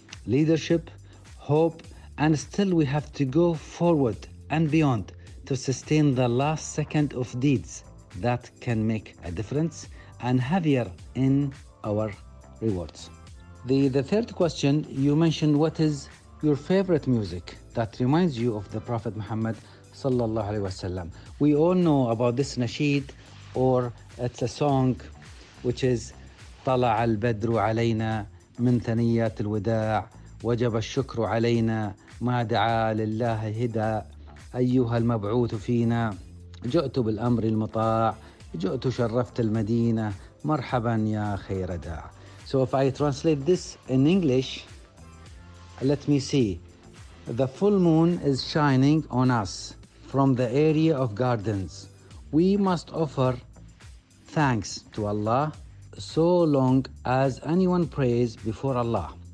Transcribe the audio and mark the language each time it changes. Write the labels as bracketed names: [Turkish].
[English] leadership, hope, and still we have to go forward and beyond to sustain the last second of deeds that can make a difference and heavier in our rewards. The third question, you mentioned, what is your favorite music that reminds you of the Prophet Muhammad sallallahu alaihi wasallam? We all know about this nasheed, or it's a song which is [Arabic] طلع البدر علينا من ثنيات الوداع وجب الشكر علينا ما دعا لله هدى أيها المبعوث فينا جئت بالأمر المطاع جئت شرفت المدينة مرحبا يا خير داع. [English] So if I translate this in English, let me see. The full moon is shining on us from the area of gardens. We must offer thanks to Allah so long as anyone prays before Allah.